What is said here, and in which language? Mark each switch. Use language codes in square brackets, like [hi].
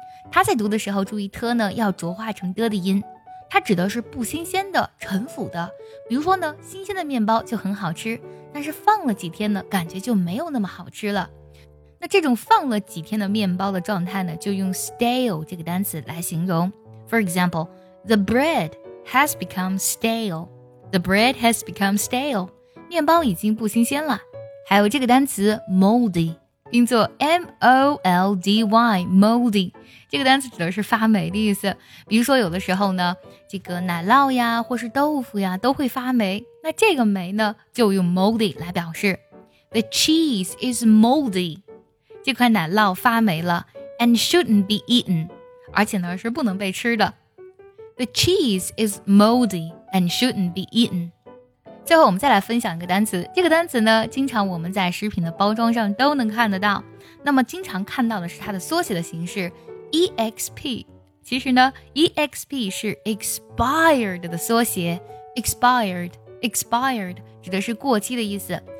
[zh] 它在读的时候注意特呢要浊化成的的音，它指的是不新鲜的、陈腐的。比如说呢，新鲜的面包就很好吃，但是放了几天呢，感觉就没有那么好吃了。那这种放了几天的面包的状态呢，就用 stale 这个单词来形容。 [en] For example, the bread has become stale. The bread has become stale. [zh] 面包已经不新鲜了。还有这个单词 moldy， 拼作 moldy， moldy。这个单词指的是发霉的意思，比如说有的时候呢，这个奶酪呀，或是豆腐呀，都会发霉，那这个霉呢，就用 moldy 来表示。 [en] The cheese is moldy， [zh] 这块奶酪发霉了 [en] ，and shouldn't be eaten， [zh] 而且呢是不能被吃的。 [en] The cheese is moldy and shouldn't be eaten。 [zh] 最后我们再来分享一个单词，这个单词呢，经常我们在食品的包装上都能看得到，那么经常看到的是它的缩写的形式。 EXP， 其实呢 EXP 是 expired 的缩写， expired 指的是过期的意思。